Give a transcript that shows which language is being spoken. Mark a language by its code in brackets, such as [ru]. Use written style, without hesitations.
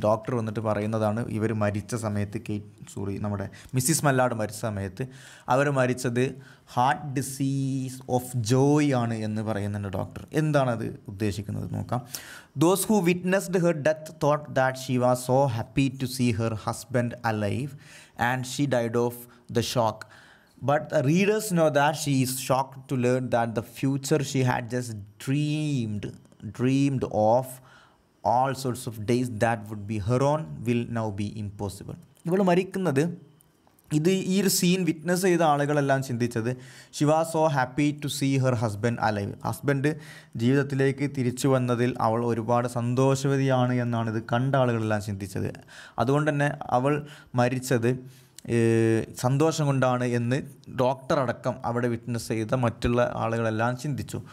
[ml] Doctor വന്നിട്ട് പറയുന്നതാണ് ഇവർ മരിച്ച സമയത്ത്, നമ്മുടെ മിസ്സിസ് മല്ലാട് മരിച്ച സമയത്ത് അവർ മരിച്ചത് ഹാർട്ട് ഡിസീസ് ഓഫ് ജോയ് ആണ് എന്ന് പറയുന്നുണ്ട് ഡോക്ടർ. എന്താണത് ഉദ്ദേശിക്കുന്നത് നോക്കാം. [en] Those who witnessed her death thought that she was so happy to see her husband alive and she died of the shock. But the readers know that she is shocked to learn that the future she had just dreamed of all sorts of days that would be her own will now be impossible. [ml] ഇവള് മരിക്കുന്നത്, ഇത് ഈ ഒരു scene witness ചെയ്ത ആളുകളെല്ലാം ചിന്തിച്ചത് [en] She was so happy to see her husband alive. [ml] Husband ജീവിതത്തിലേക്ക് തിരിച്ചു വന്നതിൽ അവൾ ഒരുപാട് സന്തോഷവതിയാണ് എന്നാണ് ഇത് കണ്ട ആളുകളെല്ലാം ചിന്തിച്ചത്. അതുകൊണ്ട് തന്നെ അവൾ മരിച്ചത് സന്തോഷം കൊണ്ടാണ് എന്ന് ഡോക്ടർ അടക്കം അവിടെ വിറ്റ്നസ് ചെയ്ത മറ്റുള്ള ആളുകളെല്ലാം ചിന്തിച്ചു.